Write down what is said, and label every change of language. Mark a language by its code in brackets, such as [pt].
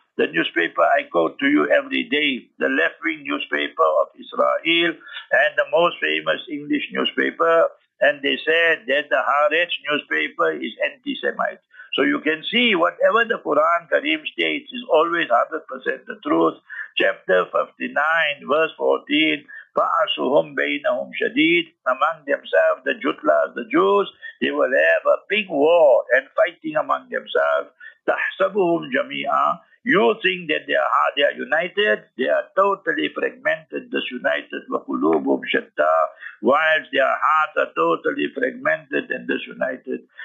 [en] The newspaper I quote to you every day, the left-wing newspaper of Israel and the most famous English newspaper, and they said that the Haaretz newspaper is anti-Semite. So you can see whatever the Quran Karim states is always 100% the truth. Chapter 59, verse 14, [ar] فَعَصُهُمْ بَيْنَهُمْ شَدِيدٌ. [en] Among themselves, the Jutlas, the Jews, they will have a big war and fighting among themselves. [ar] تَحْسَبُهُمْ جَمِيعًا. [en] You think that they are united, they are totally fragmented, disunited, [ar] وَقُلُوبُهُمْ شَتَّى, [en] whilst their hearts are totally fragmented and disunited.